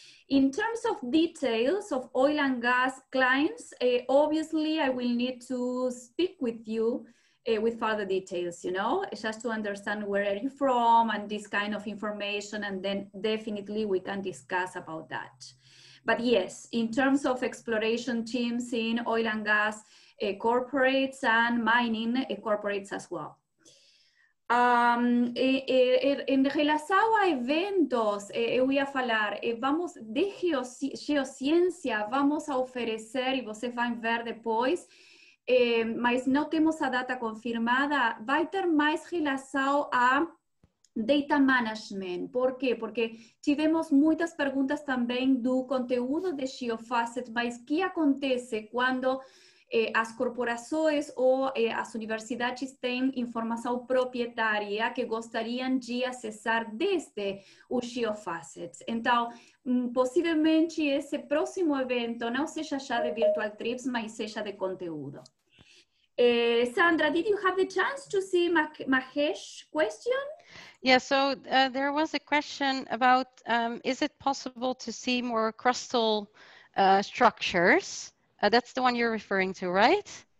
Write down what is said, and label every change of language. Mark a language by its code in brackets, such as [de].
[en] In terms of details of oil and gas clients, obviously I will need to speak with you with further details, you know, just to understand where are you from and this kind of information, and then definitely we can discuss about that. But yes, in terms of exploration teams in oil and gas corporates and mining corporates as well. [es] En relación a eventos, voy a hablar, vamos de geociencia, vamos a ofrecer y ustedes van a ver después. [pt] Mas não temos a data confirmada, vai ter mais relação a data management. Por quê? Porque tivemos muitas perguntas também do conteúdo de Geofacet, mas o que acontece quando as corporações ou as universidades têm informação proprietária que gostariam de acessar desde o GeoFacets. Então, possivelmente esse próximo evento não seja já de virtual trips, mas seja de conteúdo. [en] Sandra, did you have the chance to see Mahesh's question? Yeah, so there was a question about, is it possible to see more crustal structures? That's the one you're referring to, right?